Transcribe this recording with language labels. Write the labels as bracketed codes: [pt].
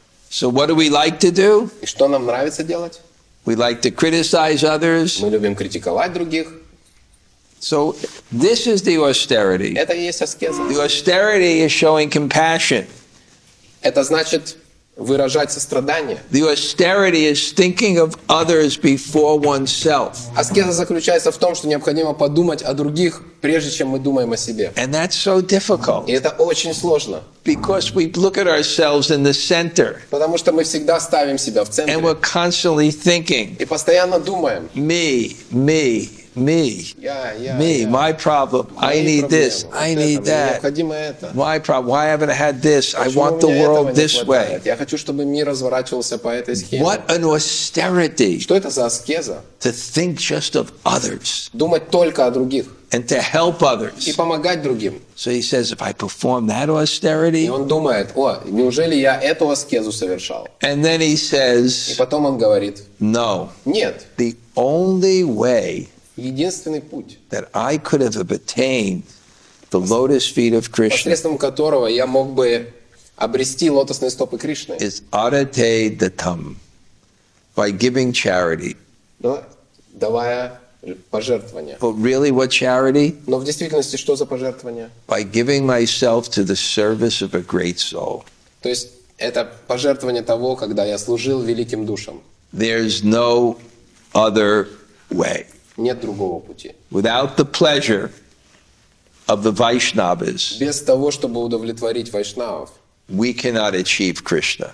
[en] So what do we like to do? [ru] И что нам нравится делать? [en] We like to criticize others. [ru] Мы любим критиковать других. [en] So this is the austerity. [ru] Это и есть аскеза. [en] The austerity is showing compassion. [ru] Это значит выражать сострадание. [en] The austerity is thinking of others before oneself. [ru] Аскеза заключается в том, что необходимо подумать о других, прежде чем мы думаем о себе. [en] And that's so difficult. [ru] И это очень сложно. [en] Because we look at ourselves in the center. [ru] Потому что мы всегда ставим себя в центре. [en] And we're constantly thinking. [ru] И постоянно думаем. [en] Me, me, me, yeah, me, yeah. My problem, [ru] мои [en] I need [ru] проблемы. [en] This, I need that, [ru] это. [en] My problem, why haven't I had this, I want the world this way. [ru] Я хочу, чтобы мир разворачивался по этой схеме. [en] What an austerity. [ru] Что это за аскеза? [en] To think just of others. [ru] Думать только о других. [en] And to help others. [ru] И помогать другим. [en] So he says, if I perform that austerity. [ru] И он думает, о, неужели я эту аскезу совершал? [en] And then he says, [ru] и потом он говорит, [en] no. [ru] Нет. [en] The only way. [ru] Единственный путь, [en] that I could have obtained the lotus feet of Krishna, [ru] посредством которого я мог бы обрести лотосные стопы Кришны, [en] is arate datam, by giving charity. [ru] Но, давая пожертвования. [en] But really, what charity? [ru] Но в действительности, что за пожертвования? [en] By giving myself to the service of a great soul. [ru] То есть, это пожертвование того, когда я служил великим душам. [en] There's no other way. [ru] Нет другого пути. [en] Without the pleasure of the Vaishnavas, [ru] без того, чтобы удовлетворить вайшнавов, [en] we cannot achieve Krishna.